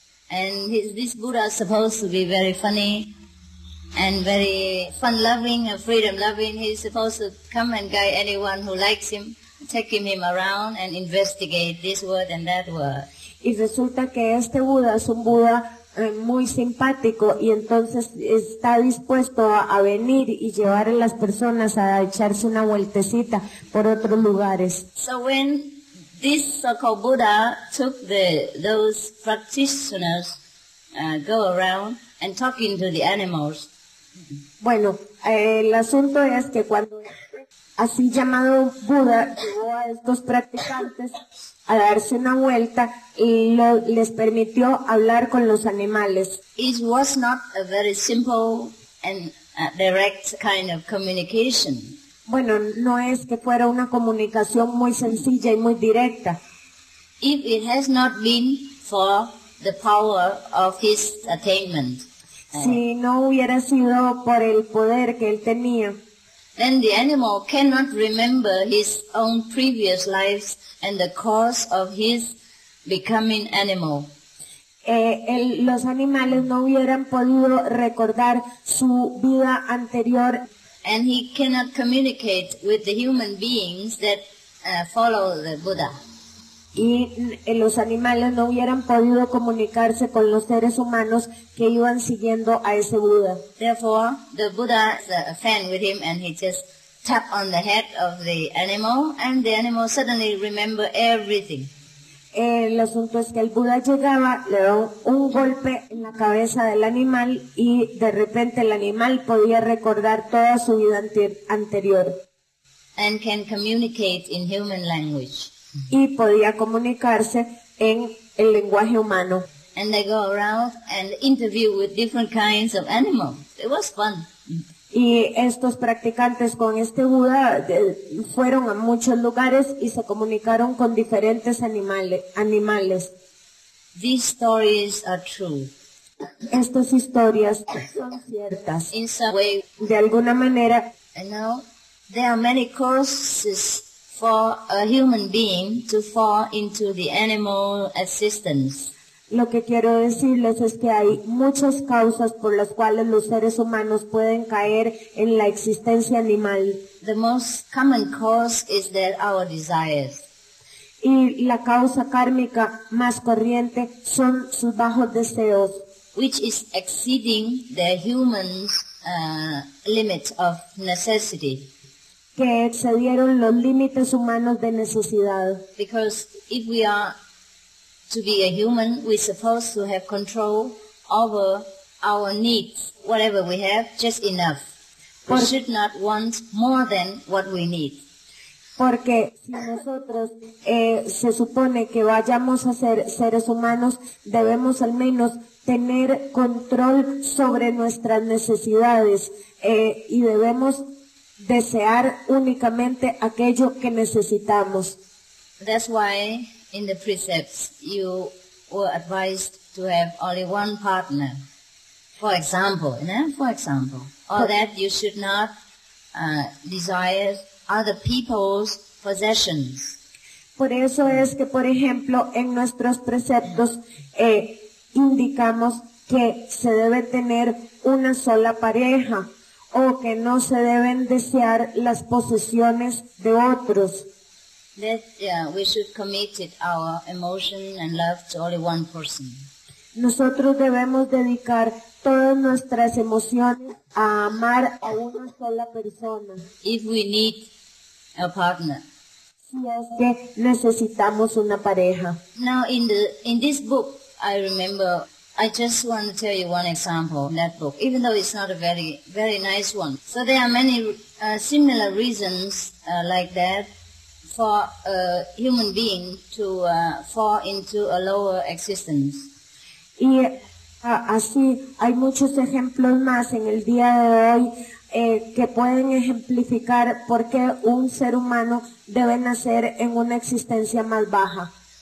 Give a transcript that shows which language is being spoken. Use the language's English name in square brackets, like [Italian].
[English] And this Buddha is supposed to be very funny and very fun-loving and freedom-loving. He's supposed to come and guide anyone who likes him, taking him around and investigate this word and that word. [Spanish] Y resulta que este Buddha es un Buddha muy simpático y entonces está dispuesto a venir y llevar a las personas a echarse una vueltecita por otros lugares. [English] So when this so-called Buddha took those practitioners go around and talking to the animals. [Spanish] Bueno, el asunto es que cuando así llamado Buda llevó a estos practicantes a darse una vuelta y les permitió hablar con los animales. [English] It was not a very simple and direct kind of communication. [Spanish] Bueno, no es que fuera una comunicación muy sencilla y muy directa. [English] If it has not been for the power of his attainment. [Spanish] Si no hubiera sido por el poder que él tenía, [English] then the animal cannot remember his own previous lives and the cause of his becoming animal. [Spanish] Los animales no hubieran podido recordar su vida anterior. [English] And he cannot communicate with the human beings that follow the Buddha. [Spanish] Y los animales no hubieran podido comunicarse con los seres humanos que iban siguiendo a ese Buda. [English] Therefore, the Buddha is a fan with him and he just tapped on the head of the animal and the animal suddenly remember everything. [Spanish] El asunto es que el Buda llegaba, le dio un golpe en la cabeza del animal y de repente el animal podía recordar toda su vida anterior. [English] And can communicate in human language. [Spanish] Y podía comunicarse en el lenguaje humano. [English] and they go around and interview with different kinds of animals. It was fun. [Spanish] Y estos practicantes con este Buda fueron a muchos lugares y se comunicaron con diferentes animales. [English] These stories are true. [Spanish] Estas historias son ciertas. [English] In some way, [Spanish] de alguna manera, [English] and now, there are many courses for a human being to fall into the animal existence. [Spanish] Lo que quiero decirles es que hay muchas causas por las cuales los seres humanos pueden caer en la existencia animal. [English] The most common cause is that our desires. [Spanish] Y la causa kármica más corriente son sus bajos deseos. [English] Which is exceeding the human's limit of necessity. [Spanish] Que excedieron los límites humanos de necesidad. [English] Because if we are to be a human, we're supposed to have control over our needs. Whatever we have, just enough. We should not want more than what we need. [Spanish] Porque si nosotros se supone que vayamos a ser seres humanos, debemos al menos tener control sobre nuestras necesidades y debemos desear únicamente aquello que necesitamos. [English] That's why in the precepts you were advised to have only one partner. For example, or that you should not desire other people's possessions. [Spanish] Por eso es que, por ejemplo, en nuestros preceptos indicamos que se debe tener una sola pareja o que no se deben desear las posesiones de otros. [English] That we should commit our emotion and love to only one person. [Spanish] Nosotros debemos dedicar todas nuestras emociones a amar a una sola persona. [English] If we need a partner. [Spanish] Si es que necesitamos una pareja. [English] Now in this book, I remember, I just want to tell you one example in that book, even though it's not a very, very nice one. So there are many similar reasons like that for a human being to fall into a lower existence. [Spanish] Y así hay muchos ejemplos más en el día de hoy. Que pueden ejemplificar por qué un ser humano debe nacer en una existencia más baja.